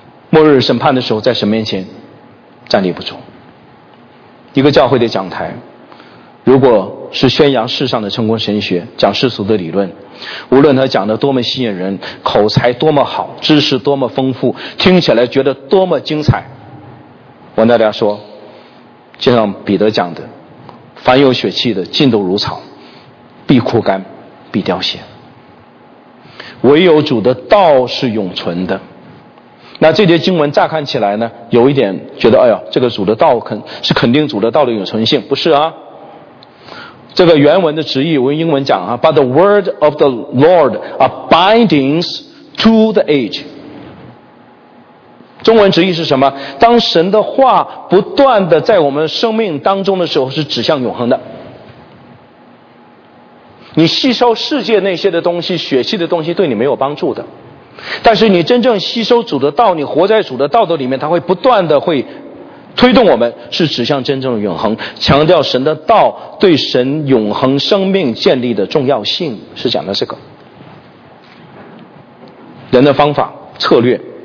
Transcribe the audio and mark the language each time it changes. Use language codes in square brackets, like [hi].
[zh] 末日审判的时候，在神面前站立不住。一个教会的讲台，如果是宣扬世上的成功神学，讲世俗的理论，无论他讲的多么吸引人，口才多么好，知识多么丰富，听起来觉得多么精彩，我跟大家说，就像彼得讲的，凡有血气的尽都如草，必枯干，必凋谢，唯有主的道是永存的。那这节经文乍看起来呢，有一点觉得哎呦，这个主的道是肯定主的道的永存性，不是啊。这个原文的直译，我用英文讲啊， [en] But the word of the Lord abides to the age。 [zh] 中文直译是什么？当神的话不断的在我们生命当中的时候，是指向永恒的。你吸收世界那些的东西，血气的东西，对你没有帮助的。但是你真正吸收主的道，你活在主的道的里面，它会不断的会推动我们，是指向真正的永恒，强调神的道对神永恒生命建立的重要性，是讲的这个。人的方法策略